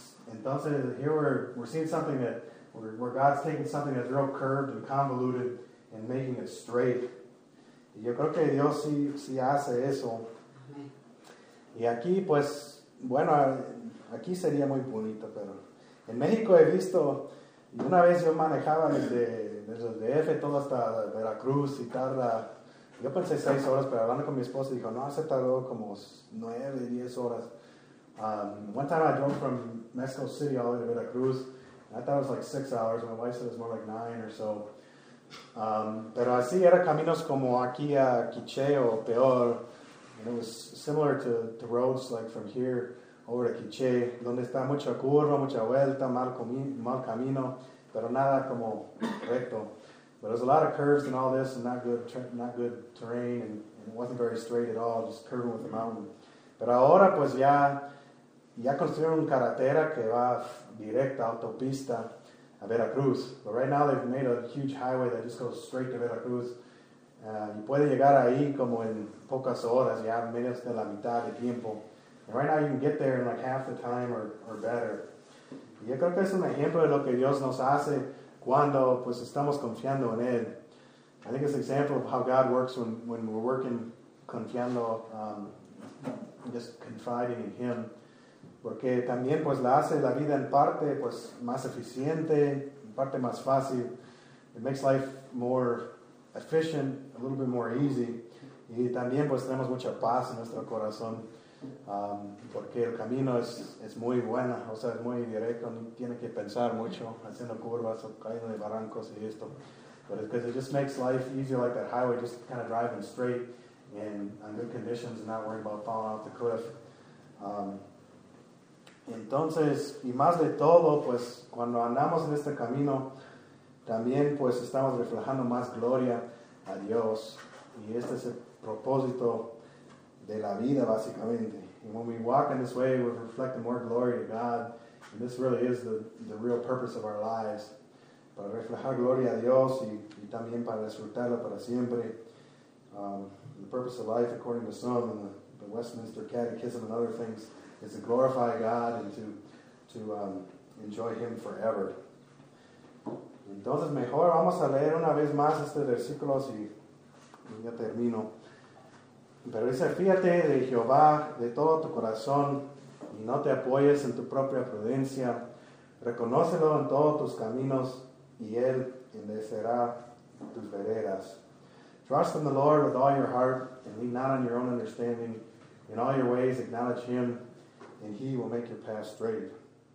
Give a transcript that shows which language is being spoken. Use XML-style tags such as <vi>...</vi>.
<en>Entonces, here we're seeing something that, where God's taking something that's real curved and convoluted and making it straight.</en> <es>Y yo creo que Dios sí hace eso. Y aquí, pues, bueno, aquí sería muy bonito, pero en México he visto, y una vez yo manejaba desde el DF todo hasta Veracruz y tarda, yo pensé 6 horas, pero hablando con mi esposa dijo, no, se tardó como 9, 10 horas.</es> <en>One time I drove from Mexico City all the way to Veracruz, and I thought it was like 6 hours, my wife said it was more like 9 or so.</en> <es>Pero así era caminos como aquí a Quiché o peor.</es> <en>And it was similar to roads like from here over to Quiché, donde está mucha curva, mucha vuelta, mal camino, pero nada como recto. But there's a lot of curves and all this, and not good terrain, and it wasn't very straight at all, just curving with the mountain.</en> <es>Pero ahora pues ya construyeron una carretera que va directa a autopista a Veracruz.</es> <en>But right now they've made a huge highway that just goes straight to Veracruz.</en> <es>Y puede llegar ahí como en pocas horas, ya menos de la mitad de tiempo.</es> <en>And right now you can get there in like half the time or better.</en> <es>Y yo creo que es un ejemplo de lo que Dios nos hace cuando pues estamos confiando en Él.</es> <en>I think it's an example of how God works when we're working confiando, just confiding in Him.</en> <es>Porque también pues la hace la vida en parte pues más eficiente, en parte más fácil.</es> <en>It makes life more efficient, a little bit more easy.</en> <es>Y también pues tenemos mucha paz en nuestro corazón, porque el camino es muy bueno, o sea, es muy directo, no tiene que pensar mucho haciendo curvas o cayendo de barrancos y esto.</es> <en>But it's because it just makes life easier, like that highway, just kind of driving straight and in good conditions and not worrying about falling off the cliff.</en> <es>Entonces, y más de todo, pues cuando andamos en este camino, también pues estamos reflejando más gloria a Dios. Y este es el propósito de la vida, básicamente.</es> <en>And when we walk in this way, we're reflecting more glory to God. And this really is the real purpose of our lives.</en> <es>Para reflejar gloria a Dios y también para disfrutarla para siempre.</es> <en>The purpose of life, according to some, and the Westminster Catechism and other things, is to glorify God and to enjoy Him forever.</en> <es>Entonces, mejor vamos a leer una vez más este versículo y ya termino. Pero dice, fíjate de Jehová de todo tu corazón y no te apoyes en tu propia prudencia. Reconócelo en todos tus caminos y Él enderezará tus veredas.</es> <en>Trust in the Lord with all your heart and lean not on your own understanding. In all your ways acknowledge Him and He will make your path straight.</en>